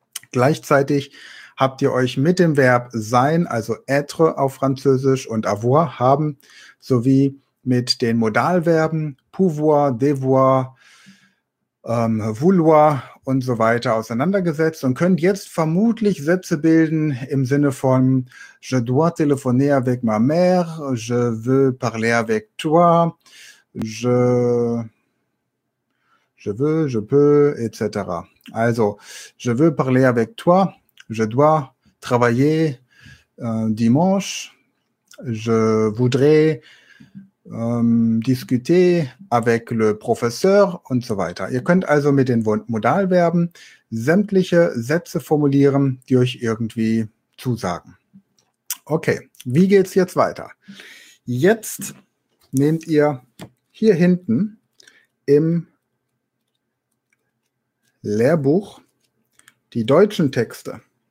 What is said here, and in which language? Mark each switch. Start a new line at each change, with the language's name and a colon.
German: Gleichzeitig habt ihr euch mit dem Verb sein, also être auf Französisch und avoir haben, sowie mit den Modalverben pouvoir, devoir, vouloir und so weiter auseinandergesetzt und könnt jetzt vermutlich Sätze bilden im Sinne von
French: je dois téléphoner avec ma mère, je veux parler avec toi, je veux, je peux, etc. Also, je veux parler avec toi. Je dois travailler dimanche. Je voudrais discuter avec le professeur
German: und so weiter. Ihr könnt also mit den Modalverben sämtliche Sätze formulieren, die euch irgendwie zusagen. Okay, wie geht's jetzt weiter? Jetzt nehmt ihr hier hinten im Lehrbuch die deutschen Texte.